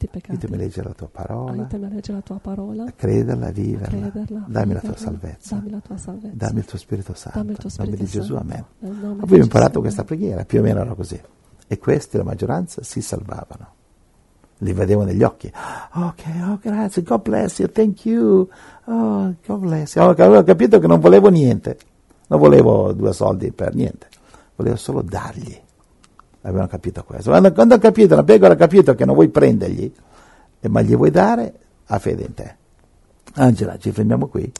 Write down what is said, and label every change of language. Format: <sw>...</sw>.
<it>aiutami a leggere la tua parola, crederla, viverla. dammi la tua salvezza, dammi il tuo Spirito Santo, nome di Gesù, amen. Abbiamo imparato questa preghiera, più o meno era così. E questi, la maggioranza, si salvavano. Li vedevo negli occhi.</it> <en>Ok, oh</en> <it>grazie,</it> <en>God bless you, thank you. Oh, God bless you.</en> <it>Avevo capito che non volevo niente. Non volevo due soldi per niente. Volevo solo dargli. Avevano capito questo. Quando ho capito, la pecora ha capito che non vuoi prendergli, ma gli vuoi dare, ha fede in te. Angela, ci fermiamo qui?</it>